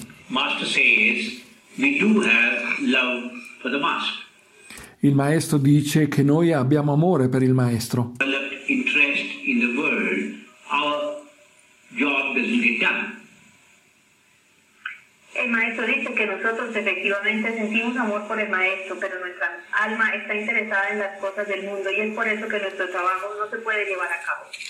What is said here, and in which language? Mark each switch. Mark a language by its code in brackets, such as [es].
[en] Master says we do have love for the master. [it] Il maestro dice che noi abbiamo amore per il maestro. [en] Interest in the world, our job doesn't get done. [es] El maestro dice que nosotros efectivamente sentimos amor por el maestro, pero nuestra alma está interesada en las cosas del mundo y es por eso que nuestro trabajo no se puede llevar a cabo.